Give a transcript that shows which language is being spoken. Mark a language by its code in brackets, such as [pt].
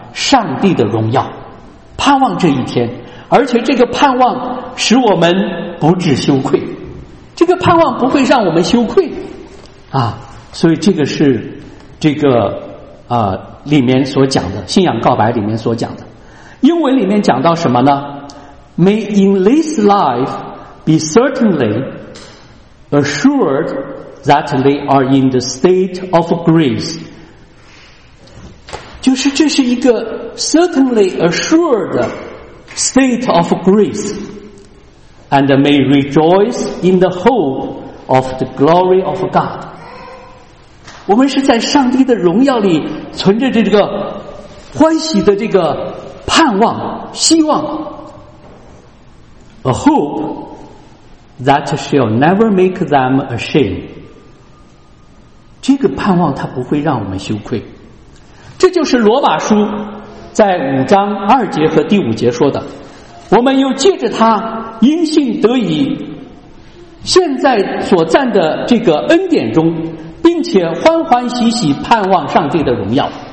[zh] 上帝的荣耀，盼望这一天，而且这个盼望使我们不致羞愧，这个盼望不会让我们羞愧啊。所以这个是这个里面所讲的信仰告白里面所讲的。英文里面讲到什么呢？ [en] May in this life be certainly assured that they are in the state of grace。 [zh] 就是这是一个 [en] certainly assured state of grace and may rejoice in the hope of the glory of God。 [zh] 我们是在上帝的荣耀里存着这个欢喜的这个盼望希望。 [en] A hope that shall never make them ashamed。 [zh] 这个盼望它不会让我们羞愧。这就是罗马书在五章二节和第五节说的，我们又借着他因信得以现在所站的这个恩典中，并且欢欢喜喜盼望上帝的荣耀。